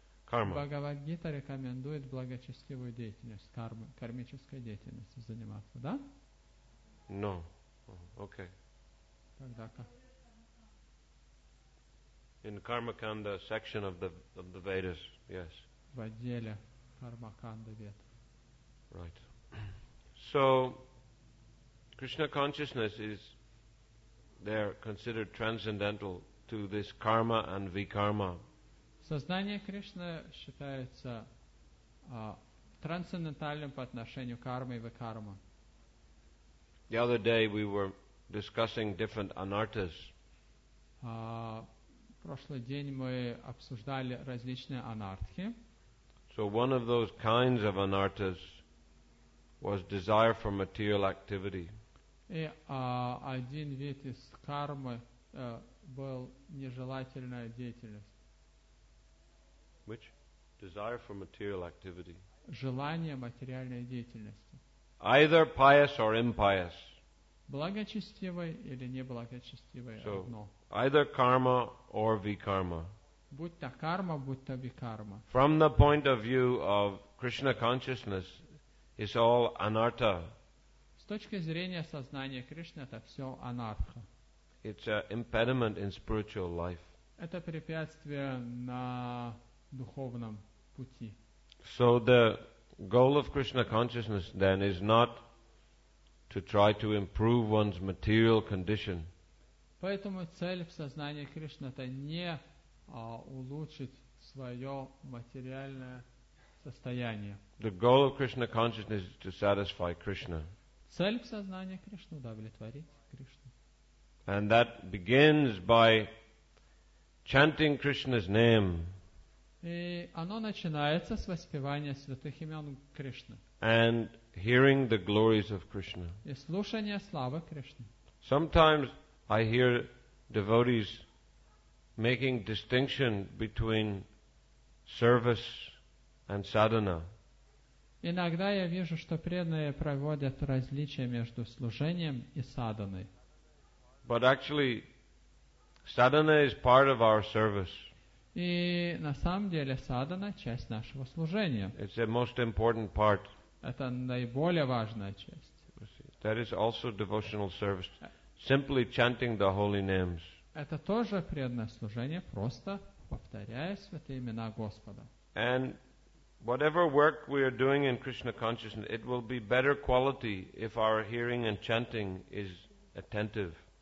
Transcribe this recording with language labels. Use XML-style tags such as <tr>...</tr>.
<ru>Бхагавад-гита рекомендует благочестивую деятельность, карму, кармической деятельностью заниматься, да?</ru> <en>No. Okay.</en> <ru>Тогда как?</ru> <en>In Karmakanda section of the Vedas, yes.</en> <ru>В отделе Кармаканда Ветов.</ru> <en>Right. So, Krishna consciousness is there considered transcendental to this karma and vikarma.</en> <ru>Сознание Кришны считается трансцендентальным по отношению к карме и викарме.</ru> <en>The other day we were discussing different anarthas.</en> <ru>Прошлый день мы обсуждали различные анартхи.</ru> <en>So one of those kinds of anarthas was desire for material activity.</en> <ru>И один вид из кармы был нежелательная деятельность.</ru> <en>Which? Desire for material activity.</en> <ru>Желание материальной деятельности.</ru> <en>Either pious or impious.</en> <ru>Благочестивой или неблагочестивой,</ru> <en>so,</en> <ru>одно.</ru> <en>Either karma or vikarma.</en> <ru>Будь то карма, будь то викарма.</ru> <en>From the point of view of Krishna consciousness, it's all anartha.</en> <ru>С точки зрения сознания Кришны, это все анартха.</ru> <en>It's an impediment in spiritual life.</en> <ru>Это препятствие на духовном пути.</ru> <en>So the goal of Krishna consciousness then is not to try to improve one's material condition.</en> <ru>Поэтому цель в сознании Кришны это не улучшить свое материальное состояние.</ru> <en>The goal of Krishna consciousness is to satisfy Krishna.</en> <ru>Цель в сознании Кришны удовлетворить Кришну.</ru> <en>And that begins by chanting Krishna's name.</en> <ru>И оно начинается с воспевания святых имен Кришны.</ru> <en>And hearing the glories of Krishna.</en> <ru>И слушание славы Кришны.</ru> <en>Sometimes I hear devotees making distinction between service and sadhana.</en> <ru>Иногда я вижу, что преданные проводят различия между служением и садханой.</ru> <en>But actually, sadhana is part of our service.</en> <ru>И на самом деле садхана часть нашего служения.</ru> <en>It's the most important part.</en> <ru>Это наиболее важная часть.</ru> <en>That is also devotional service. Simply chanting the holy names.</en> <ru>Это тоже преданное служение, просто повторяя святые имена Господа.</ru> <en>And whatever work we are doing in Krishna consciousness, it will be better quality if our hearing and chanting is attentive.</en>